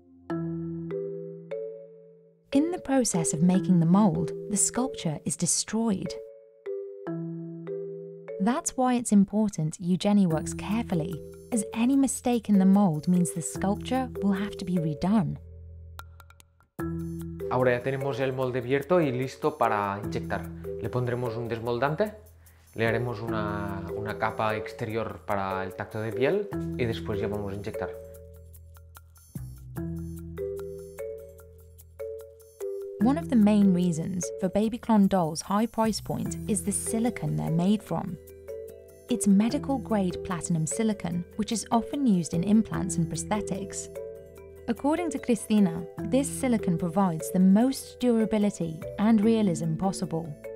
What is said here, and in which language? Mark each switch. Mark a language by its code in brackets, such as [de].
[en] In the process of making the mold, the sculpture is destroyed. That's why it's important Eugenie works carefully, as any mistake in the mold means the sculpture will have to be redone. [es] Ahora ya tenemos el molde abierto y listo para inyectar. Le pondremos un desmoldante, le haremos una capa exterior para el tacto de piel y después ya vamos a inyectar. [en] One of the main reasons for Babyclon dolls' high price point is the silicon they're made from. It's medical-grade platinum silicon, which is often used in implants and prosthetics. According to Cristina, this silicon provides the most durability and realism possible.